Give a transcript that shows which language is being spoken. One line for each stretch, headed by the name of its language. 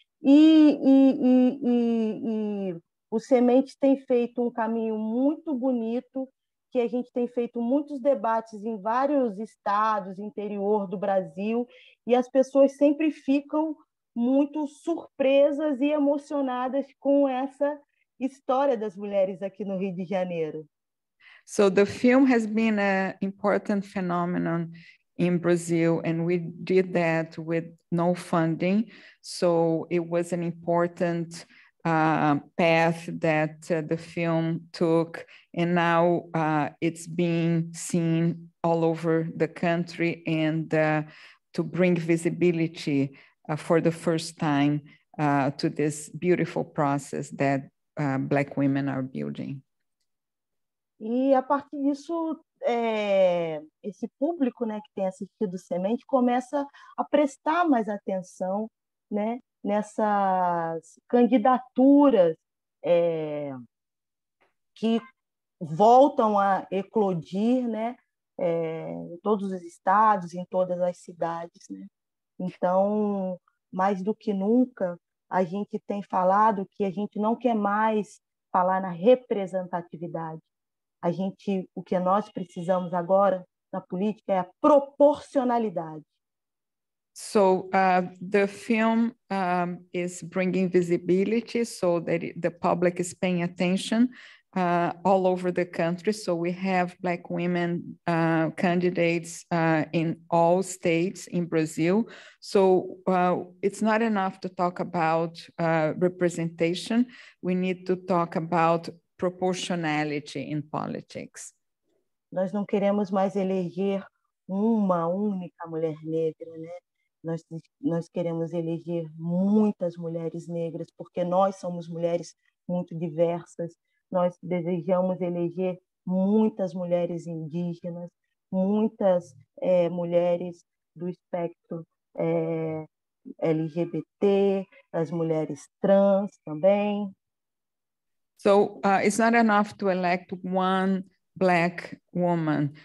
Portuguese: E o Sementes tem feito um caminho muito bonito, que a gente tem feito muitos debates em vários estados, interior do Brasil, e as pessoas sempre ficam muito surpresas e emocionadas com essa história das mulheres aqui no Rio de Janeiro.
English: So the film has been an important phenomenon in Brazil, and we did that with no funding. So it was an important path that the film took. And now it's being seen all over the country and to bring visibility for the first time to this beautiful process that Black women are building.
Portuguese: E, a partir disso, esse público, né, que tem assistido Sementes começa a prestar mais atenção, né, nessas candidaturas que voltam a eclodir, né, em todos os estados, em todas as cidades. Né? Então, mais do que nunca, a gente tem falado que a gente não quer mais falar na representatividade. O que nós precisamos agora na política é a proporcionalidade.
English: So the film is bringing visibility so that the public is paying attention all over the country. So we have Black women candidates in all states in Brazil. So it's not enough to talk about representation. We need to talk about proportionality in politics.
Portuguese: Nós não queremos mais eleger uma única mulher negra, né? Nós queremos eleger muitas mulheres negras, porque nós somos mulheres muito diversas. Nós desejamos eleger muitas mulheres indígenas, muitas mulheres do espectro LGBT, as mulheres trans também.
English: So it's not enough to elect one Black woman.